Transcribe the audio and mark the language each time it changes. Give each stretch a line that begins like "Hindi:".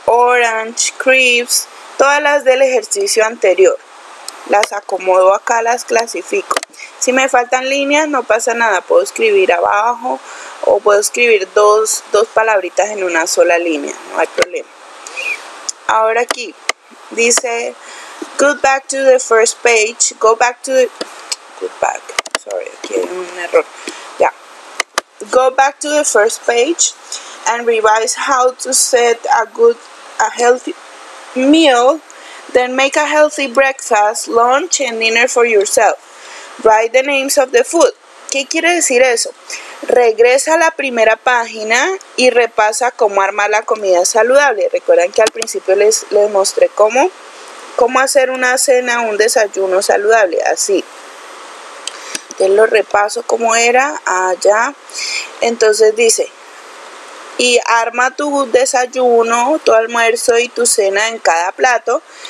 English: Orange, crisps.
Spanish: Todas las del ejercicio anterior, las acomodo acá, las clasifico. Si me faltan líneas, no pasa nada, puedo escribir abajo o puedo escribir dos palabritas en una sola línea, no hay problema. Ahora aquí, dice,
English: go back to the first page and revise how to set a healthy meal, then make a healthy breakfast, lunch and dinner for yourself. Write the names of the food.
Spanish: ¿Qué quiere decir eso? Regresa a la primera página y repasa cómo armar la comida saludable. Recuerden que al principio les mostré cómo hacer una cena, un desayuno saludable, así. Entonces lo repaso cómo era allá. Entonces dice, y arma tu desayuno, tu almuerzo y tu cena en cada plato.